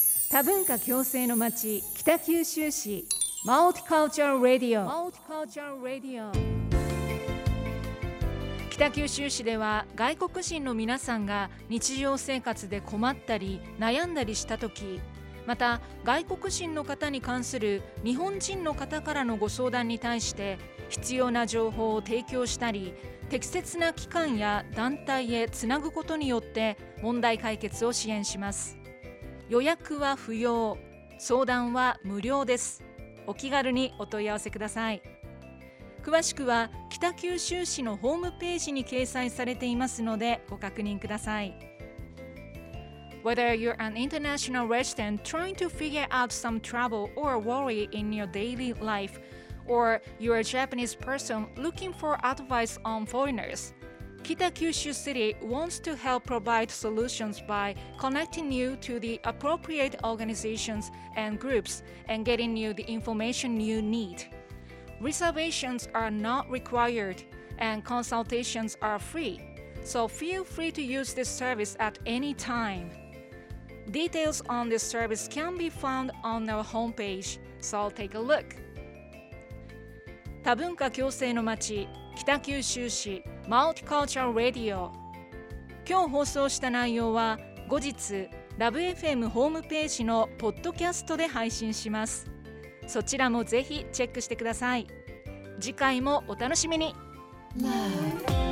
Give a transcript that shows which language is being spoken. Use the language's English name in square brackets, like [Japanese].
[Japanese] 多文化共生の街北九州市マルティカルチャーラディオ、北九州市では外国人の皆さんが日常生活で困ったり悩んだりした時、また外国人の方に関する日本人の方からのご相談に対して必要な情報を提供したり、適切な機関や団体へつなぐことによって問題解決を支援します。予約は不要、相談は無料です。お気軽にお問い合わせください。詳しくは北九州市のホームページに掲載されていますのでご確認ください。 [English] Whether you're an international resident trying to figure out some trouble or worry in your daily life, or you're a Japanese person looking for advice on foreigners, 北九州 City wants to help provide solutions by connecting you to the appropriate organizations and groups and getting you the information you need. Reservations are not required and consultations are free, so feel free to use this service at any time. Details on this service can be found on our homepage, so take a look. [Japanese] 多文化共生の街、北九州市、マルティカルチャルラディオ。今日放送した内容は後日、WFM ホームページのポッドキャストで配信します。そちらもぜひチェックしてください。次回もお楽しみに。 Love.